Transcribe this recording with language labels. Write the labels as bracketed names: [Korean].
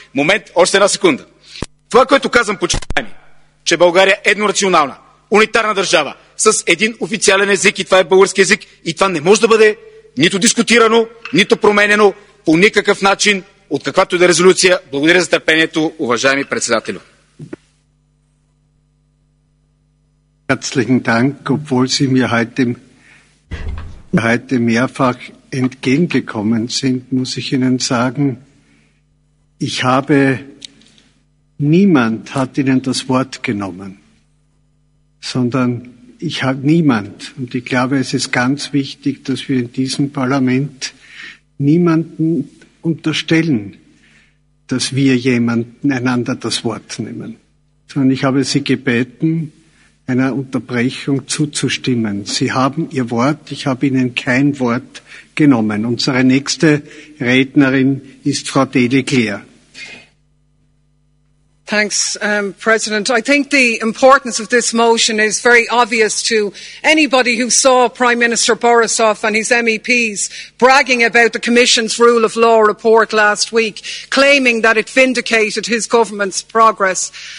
[Bulgarian] Момент, още една секунда. Това, което казвам, почитаеми, че България е еднонационална, унитарна държава, с един официален език и това е български език. И това не може да бъде нито дискутирано, нито променено по никакъв начин, от каквато и да е резолюция. Благодаря за търпението, уважаеми председателю. [German] Herzlichen Dank, obwohl Sie mir heute mehrfach entgegengekommen sind, muss ich Ihnen sagen, niemand hat Ihnen das Wort genommen, sondern niemand, und ich glaube, es ist ganz wichtig, dass wir in diesem Parlament niemanden unterstellen, dass wir jemanden einander das Wort nehmen, sondern ich habe Sie gebeten, einer Unterbrechung zuzustimmen. Sie haben Ihr Wort, ich habe Ihnen kein Wort genommen. Unsere nächste Rednerin ist Frau Delecler. [English] Thanks, President. I think the importance of this motion is very obvious to anybody who saw Prime Minister Borisov and his MEPs bragging about the Commission's rule of law report last week, claiming that it vindicated his government's progress.